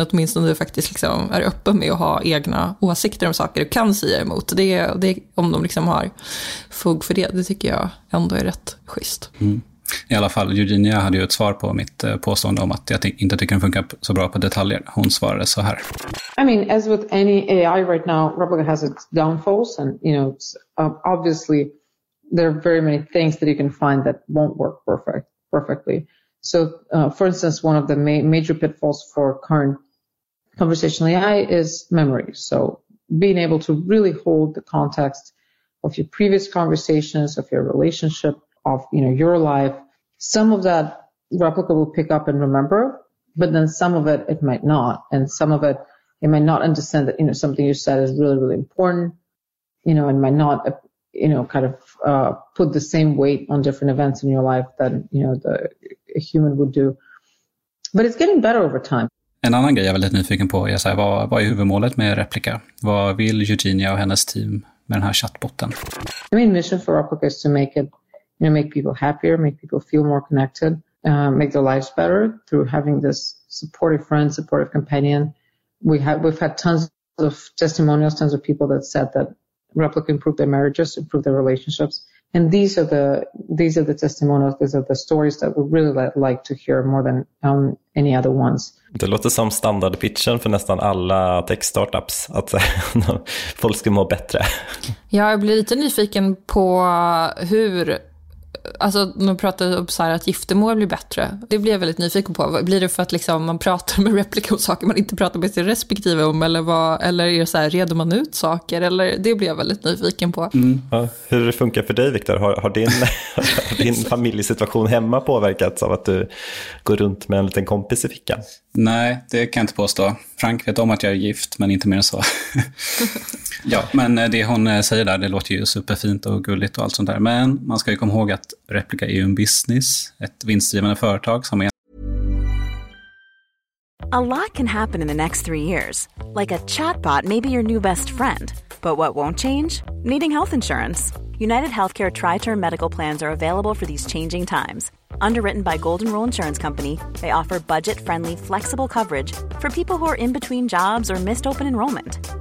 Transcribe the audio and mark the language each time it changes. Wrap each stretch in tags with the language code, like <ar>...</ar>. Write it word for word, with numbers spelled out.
<sv>Men åtminstone du faktiskt liksom är öppen med att ha egna åsikter om saker du kan säga emot. Det, det, om de liksom har fog för det, det tycker jag ändå är rätt schysst. Mm. I alla fall, Eugenia hade ju ett svar på mitt påstående om att jag t- inte tycker den funkar så bra på detaljer. Hon svarade så här.</sv> <en>I mean, as with any A I right now, Replica has its downfalls, and you know, it's, um, obviously there are very many things that you can find that won't work perfect, perfectly. So, uh, for instance, one of the ma- major pitfalls for current conversational A I is memory. So, being able to really hold the context of your previous conversations, of your relationship, of, you know, your life. Some of that Replica will pick up and remember, but then some of it, it might not. And some of it, it might not understand that, you know, something you said is really, really important, you know, and might not, you know, kind of, uh, put the same weight on different events in your life that, you know, the a human would do. But it's getting better over time.</en> <sv>En annan grej jag är väldigt nyfiken på är så här, vad, vad är huvudmålet med Replica? Vad vill Eugenia och hennes team med den här chatbotten?</sv> <en>I mean, mission for Replica is to make it, you know, make people happier, make people feel more connected, uh, make their lives better through having this supportive friend, supportive companion. We have, we've had tons of testimonials, tons of people that said that Replica improved their marriages, improved their relationships. And these are the, these are the testimonials, these are the stories that we really like to hear more than um, any other ones.</en> <sv>Det låter som standardpitchen för nästan alla tech-startups, att folk ska må bättre. Ja, jag blir lite nyfiken på hur... Alltså, de pratade om så här att giftermål blir bättre. Det blir jag väldigt nyfiken på. Blir det för att liksom man pratar med Replica om saker man inte pratar med sin respektive om? Eller, vad, eller är det så här, reder man ut saker? Eller, det blir jag väldigt nyfiken på. Mm. Ja, hur det funkar för dig, Victor? Har, har din, har din familjesituation hemma påverkats av att du går runt med en liten kompis i fickan? Nej, det kan jag inte påstå. Frank vet om att jag är gift, men inte mer än så. Ja, men det hon säger där, det låter ju superfint och gulligt och allt sånt där. Men man ska ju komma ihåg att Replica är en business, ett vinstdrivande företag som är...</sv> <en>A lot can happen in the next three years. Like a chatbot may be your new best friend. But what won't change? Needing health insurance. United Healthcare Tri-Term Medical Plans are available for these changing times. Underwritten by Golden Rule Insurance Company, they offer budget-friendly, flexible coverage for people who are in between jobs or missed open enrollment.</en>